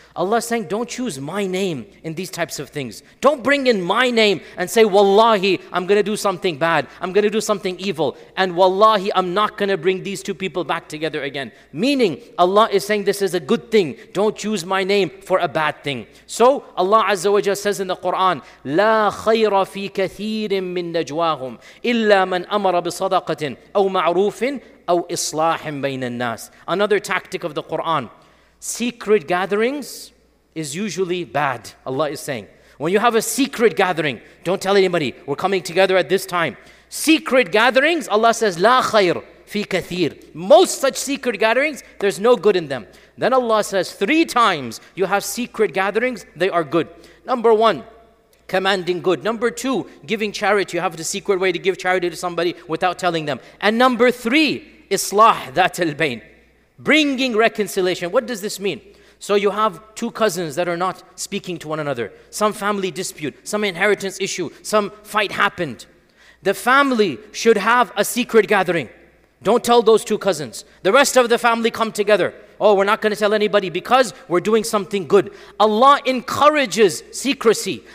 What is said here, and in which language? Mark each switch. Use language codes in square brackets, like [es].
[en] Allah is saying, don't use my name in these types of things. Don't bring in my name and say, wallahi, I'm gonna do something bad. I'm gonna do something evil. And wallahi, I'm not gonna bring these two people back together again. Meaning, Allah is saying this is a good thing. Don't use my name for a bad thing. So Allah Azza wa Jalla says in the Quran, [ar] لا خير في كثير من نجواهم إلا من أمر بصدقة أو معروف أو إصلاح بين الناس. [en] Another tactic of the Quran. Secret gatherings is usually bad, Allah is saying. When you have a secret gathering, don't tell anybody, we're coming together at this time. Secret gatherings, Allah says, [ar] لا خير في كثير. [en] Most such secret gatherings, there's no good in them. Then Allah says, three times you have secret gatherings, they are good. Number one, commanding good. Number two, giving charity. You have the secret way to give charity to somebody without telling them. And number three, [ar] إصلاح ذات البين. [en] Bringing reconciliation. What does this mean? So you have two cousins that are not speaking to one another. Some family dispute, some inheritance issue, some fight happened. The family should have a secret gathering. Don't tell those two cousins. The rest of the family come together. Oh, we're not going to tell anybody because we're doing something good. Allah encourages secrecy.